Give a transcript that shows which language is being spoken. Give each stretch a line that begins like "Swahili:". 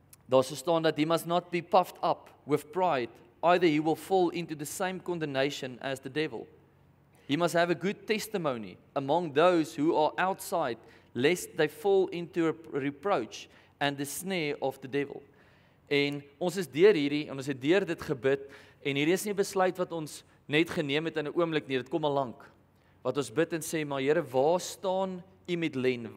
Afrikaans: Daar staan dat
English: he must not be puffed up with pride, either he will fall into the same condemnation as the devil. He must have a good testimony among those who are outside, lest they fall into a reproach and the snare of the devil.
Afrikaans: En ons is deur hierdie, en ons het deur dit gebid, en hierdie is nie besluit wat ons net geneem het in 'n oomblik nie, dit kom al lank. Wat ons bid en sê, maar Here, waar staan U met Len?